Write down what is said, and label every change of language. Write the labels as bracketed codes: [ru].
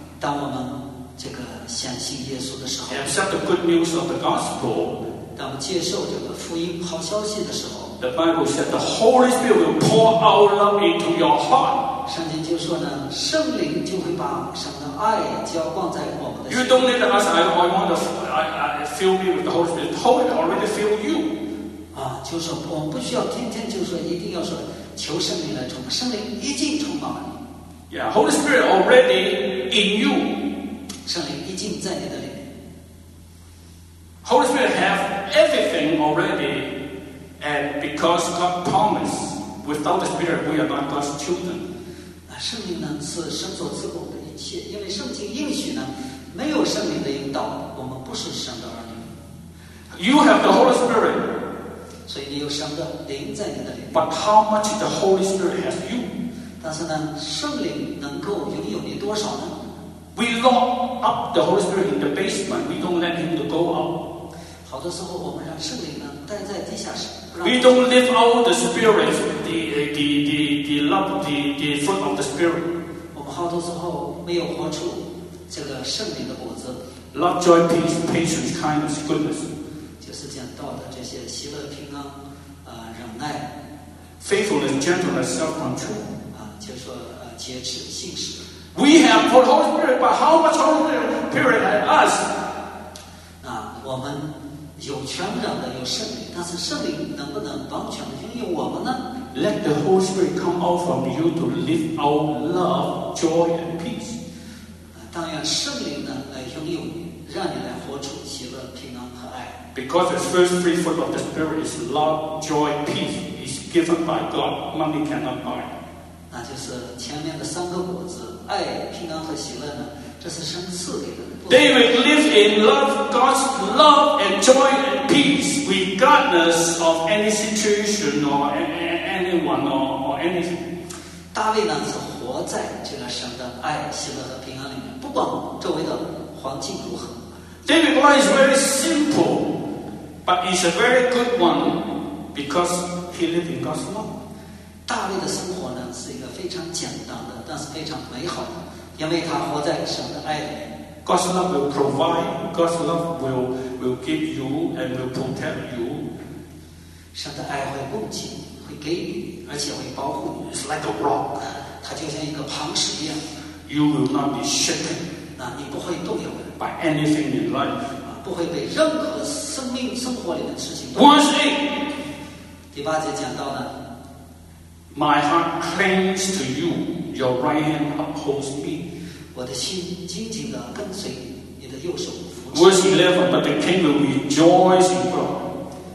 [zh] 当我们这个相信耶稣的时候 [en] accept the good news of the gospel, [zh] 当我们接受这个福音好消息的时候 [en] the Bible said the Holy Spirit will pour our love into your heart. [zh] 圣经就说呢，圣灵就会把神的爱浇灌在我们的心。 [en] You don't need to ask, I fill me with the Holy Spirit. The Holy Spirit already fill you. [zh] 啊，就是我们不需要天天就说一定要说求圣灵来充满，圣灵已经充满了。 [en] Yeah, Holy Spirit already in you. [zh] 圣灵已经在你的里面。 [en] Holy Spirit have everything already, and because God promised, without the Spirit, we are not God's children. [zh] 那圣灵呢是神所赐给我们的一切，因为圣经应许呢，没有圣灵的引导，我们不是神的儿女。 [en] You have the Holy Spirit. [zh] 所以你有神的灵在你的里面。 [en] But how much the Holy Spirit has you? [zh] 但是呢，圣灵能够拥有你多少呢 [en] ？We lock up the Holy Spirit in the basement. We don't let him to go out. [zh] 好多时候，我们让圣灵呢待在地下室。 [en] We don't live out the spirit, the love, the fruit of the spirit. [zh] 我们好多时候没有活出这个圣灵的果子。 [en] Love, joy, peace, patience, kindness, goodness. [zh] 就是讲到的这些喜乐、平安、忍耐、 [en] faithfulness, gentleness, self-control. [zh] 就说节制信实。 [en] We have the Holy Spirit, but how much Holy Spirit has us? [zh] 那我们有全然的有圣灵，但是圣灵能不能完全的拥有我们呢 [en] ？Let the Holy Spirit come out from you to live out love, joy, and peace. [zh] 但愿圣灵呢来拥有你，让你来活出喜乐、平安和爱。 [en] Because the first three fruit of the Spirit is love, joy, peace. It's given by God. Money cannot buy. [zh] 那就是前面的三个果子，爱、平安和喜乐呢，这是神赐给的。 [en] David lived in love, God's love and joy and peace, regardless of any situation or anyone or anything. [zh] 大卫呢是活在这个神的爱、喜乐和平安里面，不管周围的环境如何。 [en] David's life is very simple, but it's a very good one because he lived in God's love. [zh] 大卫的生活呢是一个非常简单的，但是非常美好的，因为他活在神的爱里面。 [en] God's love will provide. God's love will give you and will protect you. [zh] 神的爱会供给，会给予，而且会保护你。 [en] It's like a rock. [zh] 它就像一个磐石一样。 [en] You will not be shaken. [zh] 那你不会动摇。 [en] By anything in life. [zh] 不会被任何生命生活里的事情。 [en] Once it [zh] 第八节讲到呢， [en] My heart clings to you, your right hand upholds me. [zh] 我的心紧紧地跟随你的右手扶持。 [en] Verse 11, but the king will rejoice in God.